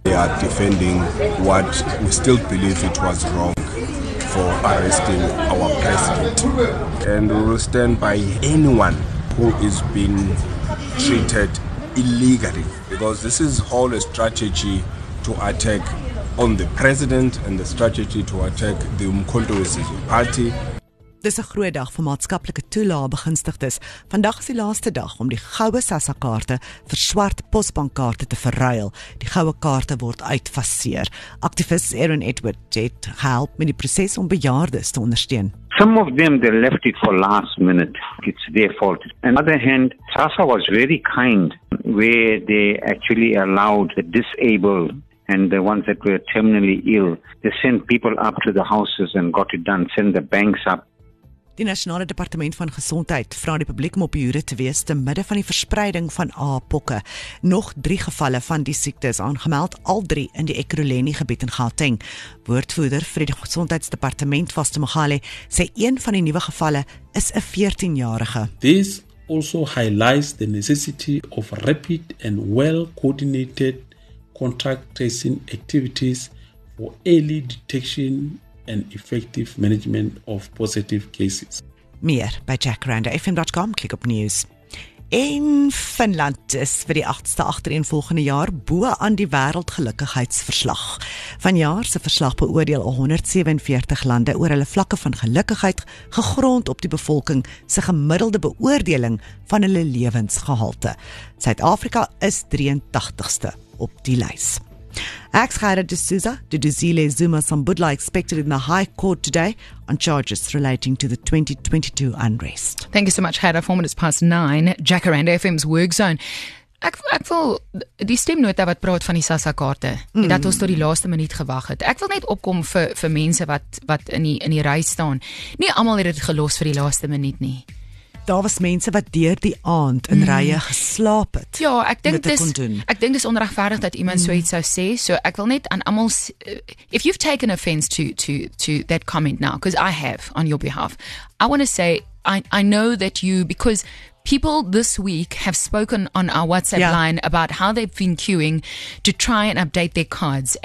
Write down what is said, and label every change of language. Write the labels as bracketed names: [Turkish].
[English] They are defending what we still believe it was wrong for arresting our president. And we will stand by anyone who is being treated illegally. Because this is all a strategy to attack on the president and the strategy to attack the Mkonto Besizwe Party. [Afrikaans] Dis 'n groot dag vir maatskaplike toelaagbegunstigdes. Vandag is die laaste dag om die goue SASSA-kaarte vir swart posbankkaarte te verruil. Die goue kaarte word uitfaseer. Aktivis Aaron Edward het help met die proses om bejaardes te ondersteun. [English] Some of them, they left it for last minute. It's their fault. On the other hand, SASSA was very kind where they actually allowed the disabled and the ones that were terminally ill, they sent people up to the houses and got it done, sent the banks up. [Afrikaans] Die Nasionale Departement van Gesondheid vra die publiek om op hoede te wees te midde van die verspreiding van apokke. Nog 3 gevalle van die siekte is aangemeld, al 3 in die Ekurhuleni gebied in Gauteng. Woordvoerder vir die Gesondheidsdepartement Vaste Mogale sê een van die nuwe gevalle is 'n 14-jarige. [English] This also highlights the necessity of rapid and well-coordinated contact tracing activities for early detection and effective management of positive cases. [Afrikaans] Meer by jackaranda.fm.com, klik op news. In Finland is vir die 8ste agtereenvolgende jaar bo aan die wêreldgelukkigheidsverslag. Vanjaar se verslag beoordeel 147 lande oor hulle vlakke van gelukkigheid gegrond op die bevolking se gemiddelde beoordeling van hulle lewensgehalte. Suid-Afrika is 83ste op die lys. [English] Ex-Khaira D'Souza, Dzili Zuma Sambutla expected in the High Court today on charges relating to the 2022 unrest. Thank you so much, Khaira. 4 minutes past 9, Jacaranda FM's Work Zone. [Afrikaans] Ek wil die stemnota wat praat van die SASSA-kaarte, dat ons tot die laaste minuut gewag het. Ek wil net opkom vir mense wat in die ry staan. Nie almal het dit gelos vir die laaste minuut nie. Daar was mense wat deur die aand in rye geslaap het. Ja, ek dink dis onregverdig dat iemand so iets sou sê. So ek wil net aan almal, [English] if you've taken offense to that comment now, because I have on your behalf, I want to say I know that you, because people this week have spoken on our WhatsApp line about how they've been queuing to try and update their cards.